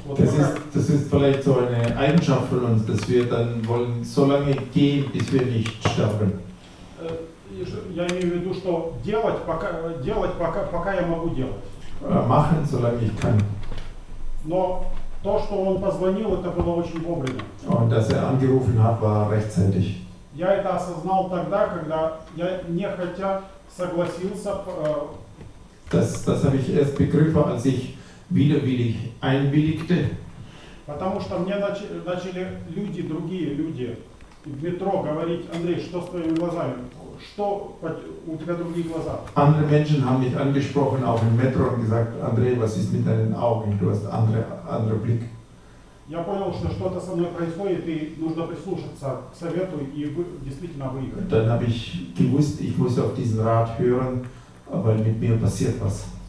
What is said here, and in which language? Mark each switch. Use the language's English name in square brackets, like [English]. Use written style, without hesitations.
[German] Das ist vielleicht so eine Eigenschaft von uns, dass wir dann wollen so lange gehen, bis wir nicht sterben. [Russian] Я имею в виду, что делать, пока я могу делать. [German] Machen, solange ich kann. [Russian] Но то, что он позвонил, это было очень вовремя. [German] Und dass angerufen hat, war rechtzeitig. [Russian] Я это осознал тогда, когда я не хотя согласился. [German] Das habe ich erst begriffen, als ich widerwillig einwilligte. [Russian] Потому что мне начали люди, другие люди в метро говорить: Андрей, что с твоими глазами? Что у тебя другие глаза? [German] Andere Menschen haben mich angesprochen, auch im Metro, und gesagt: Андрей, was ist mit deinen Augen? Du hast andere Blick. [Russian] Я понял, что что-то со мной происходит, и нужно прислушаться к совету и действительно выехать. [German] Dann habe ich gewusst, ich muss auf diesen Rat hören, weil mit mir passiert was.